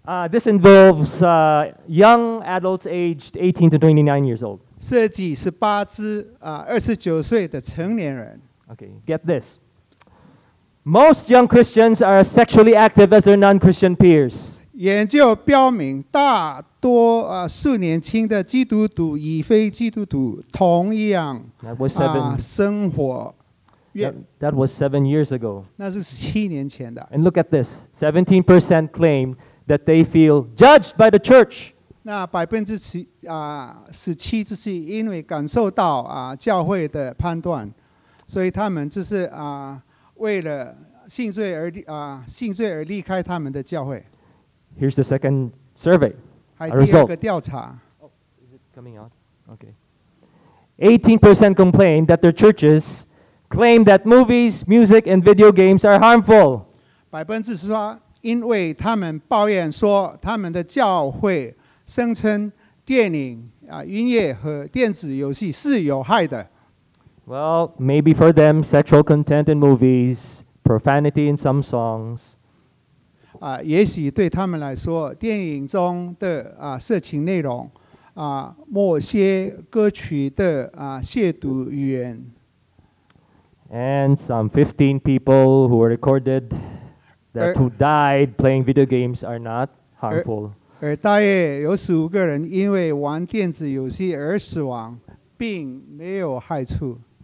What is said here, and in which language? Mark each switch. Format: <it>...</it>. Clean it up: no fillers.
<en>This involves young adults aged 18 to 29 years old.</en> <zh>涉及18至29岁的成年人。</zh> <en>Okay, get this. Most young Christians are as sexually active as their non-Christian peers.</en> <zh>研究表明，大多数年轻的基督徒与非基督徒同样生活。</zh> <en>That was 7 years ago.</en> <zh>那是七年前的。</zh> <en>And look at this. 17% claim that they feel judged by the church.</en> <zh>那17%就是因为感受到教会的判断，所以他们就是为了信罪而信罪而离开他们的教会。</zh> <en>Here's the second survey.</en> <zh>还第二个调查。</zh> <en>Oh, is it coming on? Okay. 18% complain that their churches claim that movies, music, and video games are harmful.</en> <zh>18% 说，因为他们抱怨说他们的教会声称电影音乐和电子游戏是有害的。</zh> <en>Well, maybe for them, sexual content in movies, profanity in some songs.</en> <zh>也许对他们来说，电影中的色情内容，某些歌曲的亵渎语言。</zh> <en>And some 15 people who were recorded that who died playing video games are not harmful.</en> <zh>而大约有15个人因为玩电子游戏而死亡，并没有害处。</zh>